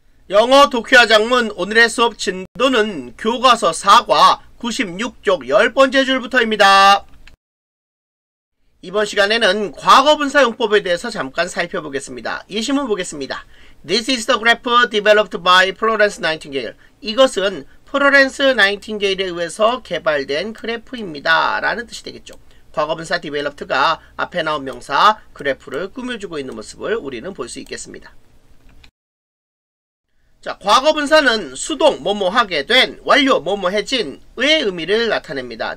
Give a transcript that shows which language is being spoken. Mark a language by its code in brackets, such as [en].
[ko] 영어 독해화 작문 오늘의 수업 진도는 교과서 4과 96쪽 10번째 줄부터입니다. 이번 시간에는 과거분사용법에 대해서 잠깐 살펴보겠습니다. 예시문 보겠습니다. [en] This is the graph developed by Florence Nightingale. [ko] 이것은 Florence Nightingale에 의해서 개발된 그래프입니다. 라는 뜻이 되겠죠. 과거분사 developed가 앞에 나온 명사 그래프를 꾸며주고 있는 모습을 우리는 볼 수 있겠습니다. 자, 과거분사는 수동 뭐뭐하게 된, 완료 뭐뭐해진의 의미를 나타냅니다.